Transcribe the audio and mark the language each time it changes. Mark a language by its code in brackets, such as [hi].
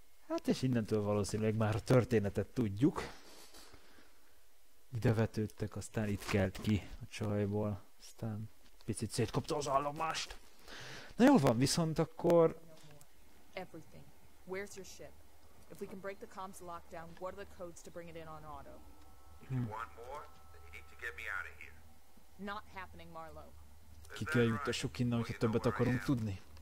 [hu] Hát és innentől valószínűleg már a történetet tudjuk. Ide vetődtek, aztán itt kelt ki a csajból. Aztán picit szétkopta az állomást. Na jól van, viszont akkor... [en] Everything. Where's your ship? If we can break the comms lockdown, what are the codes to bring it in on auto? If you want more, then you need to get me out of here. Not happening, Marlo. [hu] Ki kell jutassuk innen, hogyha többet akarunk tudni.